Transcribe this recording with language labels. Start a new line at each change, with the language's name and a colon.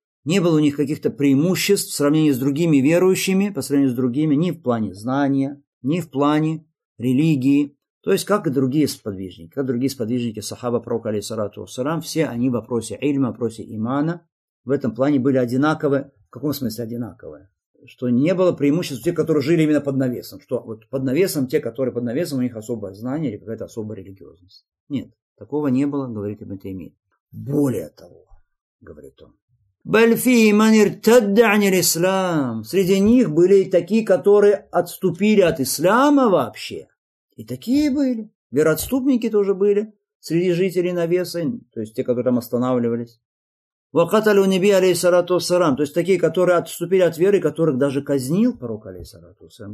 Russian: Не было у них каких-то преимуществ в сравнении с другими верующими, по сравнению с другими, ни в плане знания, ни в плане религии, то есть как и другие сподвижники, как другие сподвижники сахаба пророка алейхиссалату вассалям, все они в вопросе ильма, в вопросе имана, в этом плане были одинаковы, в каком смысле одинаковые, что не было преимуществ тех, которые жили именно под навесом, что вот под навесом, те, которые под навесом, у них особое знание или какая-то особая религиозность. Нет, такого не было, говорит Ибн Таймия. Более того, говорит он,
Arabic: بل فيه من ارتد عن الإسلام.
Russian: среди них были такие, которые отступили от ислама вообще. И такие были. Вероотступники тоже были среди жителей Навеса, то есть те, которые там останавливались.
Arabic: وقتلوا النبي عليه الصلاة والسلام,
Russian: то есть такие, которые отступили от веры, которых даже казнил пророк
Arabic: عليه الصلاة والسلام.